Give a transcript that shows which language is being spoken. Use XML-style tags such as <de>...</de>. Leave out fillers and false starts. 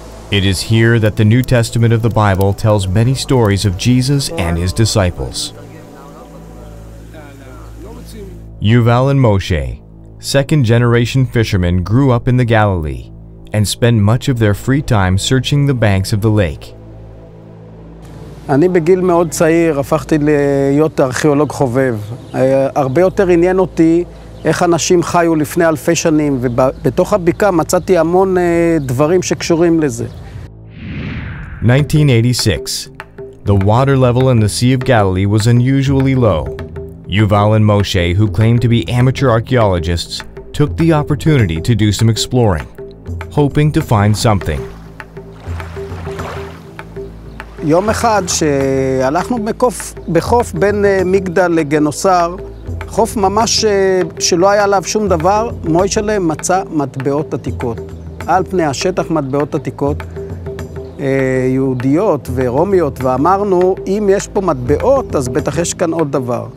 <en>It is here that the New Testament of the Bible tells many stories of Jesus and his disciples. Yuval and Moshe, second-generation fishermen, grew up in the Galilee and spent much of their free time searching the banks of the lake.</en> <he>אני בגיל מאוד צעיר הפכתי להיות ארכיאולוג חובב. הרבה יותר עניין אותי איך אנשים חיו לפני אלפי שנים, ובתוך הבקעה מצאתי המון דברים שקשורים לזה.</he> <en>1986. The water level in the Sea of Galilee was unusually low. Yuval and Moshe, who claimed to be amateur archaeologists, took the opportunity to do some exploring, hoping to find something.</en> <he>יום אחד שהלכנו בקוף, בחוף בין מגדל לגנוסר, חוף ממש שלא היה עליו שום דבר, מוישלה מצא מטבעות עתיקות. על פני השטח מטבעות עתיקות, יהודיות ורומיות, ואמרנו, אם יש פה מטבעות, אז בטח יש כאן עוד דבר.</he>